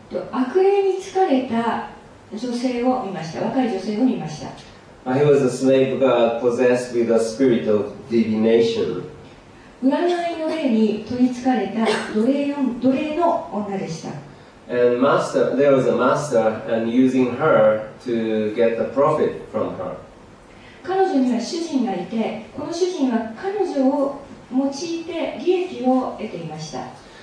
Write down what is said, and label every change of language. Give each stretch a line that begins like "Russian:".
Japanese: 悪霊に疲れた女性を見ました。若い女性を見ました。
English: He was a slave girl possessed with a spirit of divination.
Japanese: 占いの霊に取り憑かれた奴隷の女でした。
English: And master, there was a master and using her to get the profit from her.
Japanese: 彼女には主人がいて、この主人は彼女を用いて利益を得ていました。